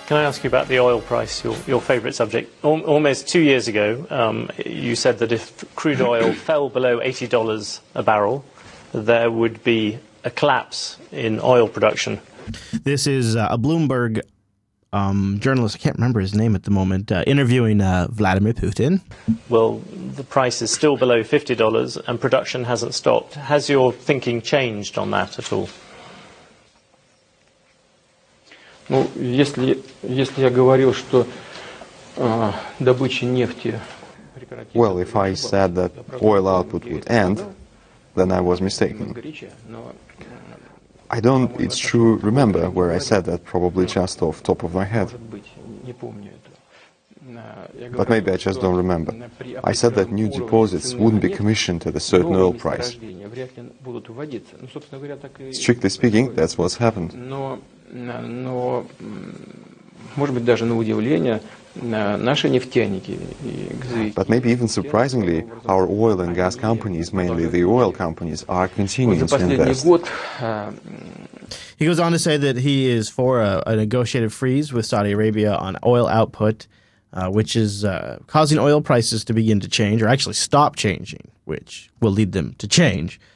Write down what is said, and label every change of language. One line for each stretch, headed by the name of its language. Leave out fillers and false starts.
English: Can I ask you about the oil price, your favorite subject? Almost 2 years ago, you said that if crude oil fell below $80 a barrel, there would be a collapse in oil production. This is a Bloomberg journalist, I can't remember his name at the moment, interviewing Vladimir Putin. Well, the price is still below $50 and production hasn't stopped. Has your thinking changed on that at all?
Russian: Ну, если я говорил, что добыча нефти...
English: Well, if I said that oil output would end, then I was mistaken. I don't, it's true, remember where I said that, probably just off top of my head. But maybe I just don't remember. I said that new deposits wouldn't be commissioned at a certain oil price. Strictly speaking, that's what's happened.
Russian: Но, может быть, даже на удивление, наши нефтяники и газовики.
English: But maybe even surprisingly, our oil and gas companies, mainly the oil companies, are continuing to invest. He goes on to say that he is for a negotiated freeze with Saudi Arabia on oil output, which is causing oil prices to begin to change, or actually stop changing, which will lead them to change.